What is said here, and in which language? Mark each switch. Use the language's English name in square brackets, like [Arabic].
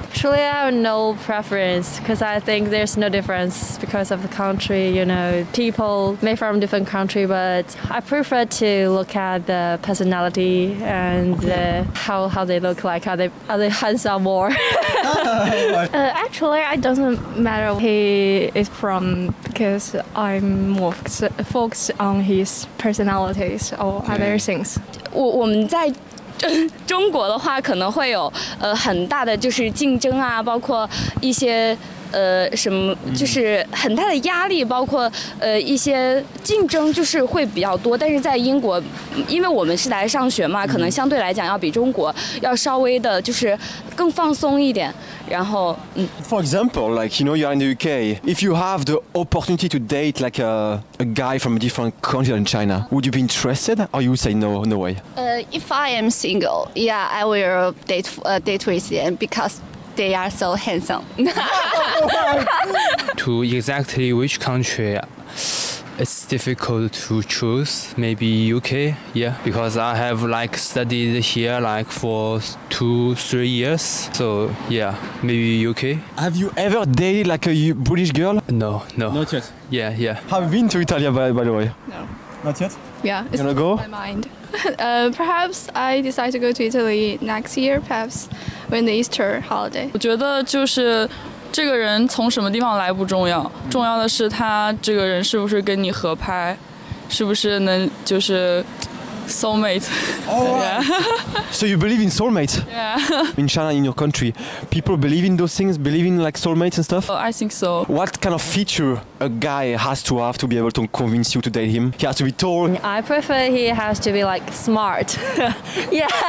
[English] Actually, I have no preference, because I think there's no difference because of the country, you know, people may from different country, but I prefer to look at the personality and how they look like, are they handsome more. Actually, I doesn't matter where he is from, because I'm more focused on his personalities or other things. [Chinese] 我们在 中国的话 可能会有 很大的就是竞争啊 包括一些 什么就是很大的压力 包括 一些竞争就是会比较多 但是在英国 因为我们是来上学嘛 可能相对来讲要比中国 要稍微的就是更放松一点 然后 [English] For example, like, you know, you're in the UK. If you have the opportunity to date like a guy from a different country than China, would you be interested, or you would say no way? If I am single, yeah, I will date with them because they are so handsome. To exactly which country, it's difficult to choose. Maybe UK, yeah, because I have like studied here like for 2-3 years. So yeah, maybe UK. Have you ever dated like a British girl? No, no. Not yet. Yeah. Have you been to Italy by the way? No. Not yet? Yeah, it's gonna go? In my mind. Perhaps I decide to go to Italy next year, perhaps when the Easter holiday. [Chinese] 我觉得就是 这个人从什么地方来不重要，重要的是他这个人是不是跟你合拍， 是不是能就是 soulmate. [English] Oh, right. Yeah. So you believe in soulmate? Yeah. In China, in your country, people believe in those things, believe in like soulmates and stuff? I think so. What kind of feature a guy has to have to be able to convince you to date him? He has to be tall. I prefer he has to be like smart. Yeah.